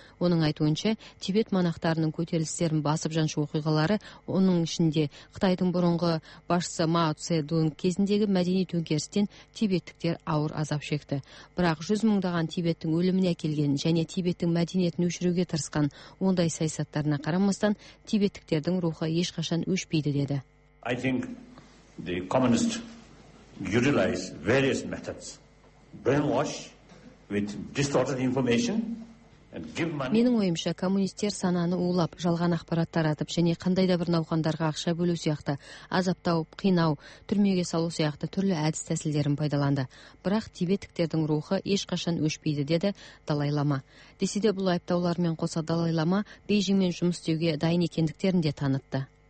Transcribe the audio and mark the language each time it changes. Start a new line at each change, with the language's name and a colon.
Kazakh: Оның айтуынша, Тибет монахтарының көтерілістерін басып жаншу оқиғалары, оның ішінде Қытайдың бұрынғы басшысы Мао Цзедун кезіндегі мәдени төңкерістен тибеттіктер ауыр азап шекті. Бірақ 100 мыңдаған тибеттің өліміне әкелген және тибеттің мәдениетін өшіруге тырысқан ондай саясаттарына қарамастан, тибеттіктердің рухы ешқашан өшпейді деді.
English: I think the communists utilize various methods, brainwash with distorted information.
Kazakh: Менің ойымша, коммунистер сананы улап, жалған ақпарат таратып, және қандай да бір науқандарға ақша бөлу сияқты, азаптау, қинау, түрмеге салу сияқты түрлі әдіс тәсілдерін пайдаланды. Бірақ тибеттіктердің рухы ешқашан өшпейді, деді Далай Лама. Десе де бұл айыптаулармен қоса Далай Лама Бейжіңмен жұмыс істеуге дайын екендіктерін де танытты.